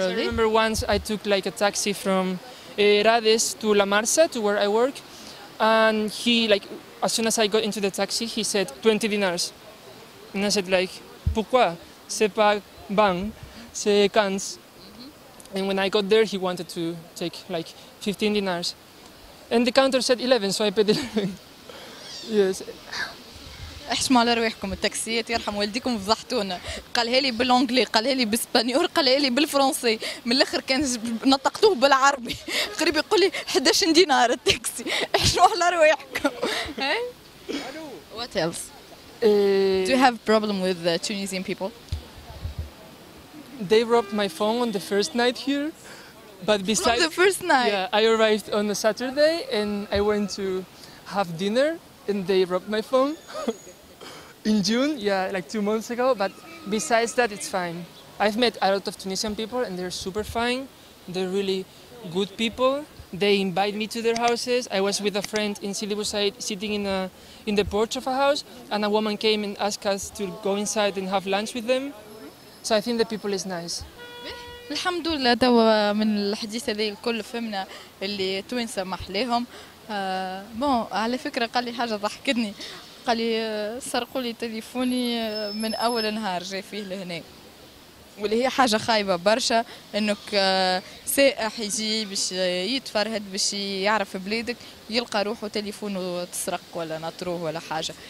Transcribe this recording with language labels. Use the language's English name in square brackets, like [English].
[English] So I remember once I took, like, a taxi from Rades to La Marsa, to where I work, and he, like, as soon as I got into the taxi, he said, 20 dinars. And I said, like, [French] pourquoi? C'est pas ban, c'est cans. [English] And when I got there, he wanted to take, like, 15 dinars. And the counter said 11, so I paid 11. Yes. [Arabic] احشم على رواحكم التاكسيات يرحم والديكم فضحتونا. قالها لي بالانجلي، قالها لي بالاسبانيور، قالها لي بالفرنسي. من الاخر كان نطقتوه بالعربي. قريب يقول لي 11 دينار التاكسي. احشم على رواحكم. [English] What else? Do you have problem with the Tunisian people? They robbed my phone on the first night here. But besides, the first night. Yeah, I arrived on a Saturday and I went to have dinner and they robbed my phone in June, yeah, like 2 months ago. But besides that, it's fine. I've met a lot of Tunisian people and they're super fine. They're really good people. They invite me to their houses. I was with a friend in Sidi Bou Said sitting in the porch of a house, and a woman came and asked us to go inside and have lunch with them. So I think the people is nice. [Arabic] الحمد لله توا من الحديث هذا الكل فهمنا اللي توينسا محليهم. بون على فكره قال لي حاجه ضحكتني، قال لي سرقوا لي تليفوني من اول نهار جاي فيه لهنا، واللي هي حاجه خايبه برشا انك سائح يجي باش يتفرهد باش يعرف بلادك يلقى روحه تليفونه تسرق ولا نطروه ولا حاجه.